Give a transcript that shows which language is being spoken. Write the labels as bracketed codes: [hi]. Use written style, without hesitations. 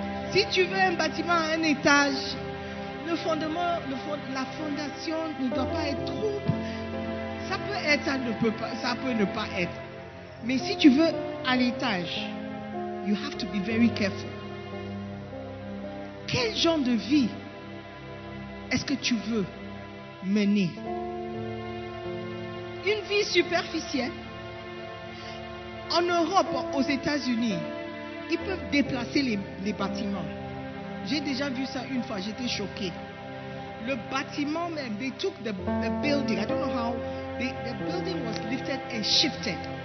[fr] Si tu veux un bâtiment à un étage, la fondation ne doit pas être trop. Ça peut être, ça peut ne pas être. Mais si tu veux à l'étage, [en] you have to be very careful. [fr] Quel genre de vie est-ce que tu veux mené. Une vie superficielle. En Europe, aux États-Unis, ils peuvent déplacer les bâtiments. J'ai déjà vu ça une fois, j'étais choquée. Le bâtiment même, [en] they took the building, I don't know how, the building was lifted and shifted.